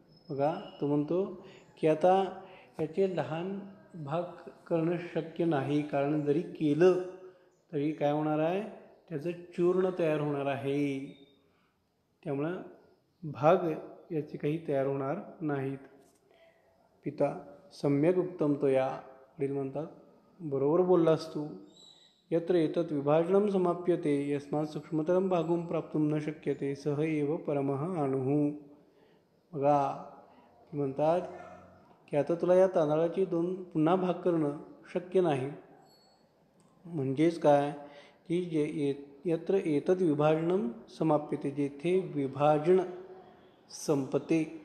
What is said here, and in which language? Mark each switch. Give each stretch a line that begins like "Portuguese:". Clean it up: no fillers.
Marathi: बघा तो म्हणतो की आता याचे लहान भाग करणं शक्य नाही, कारण जरी केलं तरी काय होणार आहे, त्याचं चूर्ण तयार होणार आहे, त्यामुळं भाग याचे काही तयार होणार नाहीत।
Sanskrit: पिता सम्यक उत्तम तो या,
Marathi: वडील म्हणतात बरोबर बोललास तू।
Sanskrit: यत्र एतत् विभाजनं समाप्यते यस्मात् सूक्ष्मतरं भागं प्राप्तुं न शक्यते सह एव परमः अणुः।
Marathi: बघा म्हणतात की आता तुला या तांदळाची दोन पुन्हा भाग करणं शक्य नाही, म्हणजेच काय की जे
Sanskrit: यत्र एतत् विभाजनं समाप्यते
Marathi: जेथे विभाजन संपते